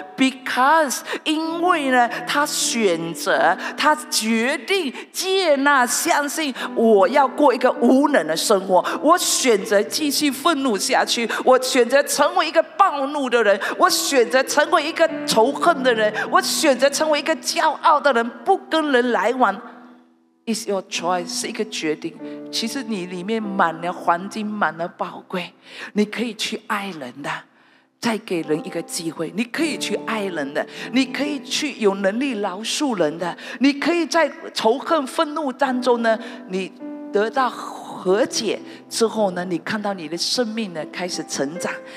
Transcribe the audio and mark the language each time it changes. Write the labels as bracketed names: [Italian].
[Chinese] Because 因为呢，他选择，他决定接纳，相信我要过一个无能的生活，我选择继续愤怒下去，我选择成为一个暴怒的人，我选择成为一个仇恨的人，我选择成为一个骄傲的人，不跟人来往。 [English] It's your choice，是一个决定。 [Chinese] 其实你里面满了黄金，满了宝贵，你可以去爱人的，再给人一个机会，你可以去爱人的，你可以去有能力饶恕人的，你可以在仇恨愤怒当中呢，你得到和解之后呢，你看到你的生命呢开始成长。